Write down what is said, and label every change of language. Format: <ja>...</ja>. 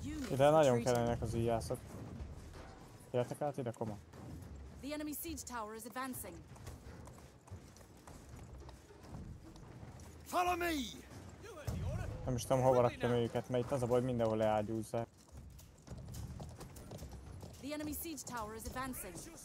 <hu>Ide nagyon kellenek az íjászok. Jöttek át ide komat.</hu> <en>The enemy siege tower is advancing. Follow me!</en> <hu>Nem is tudom, hova rakjam őket, mert itt az a baj, hogy mindenhol leágyúzzák.</hu> <en>enemy siege tower is advancing.</en>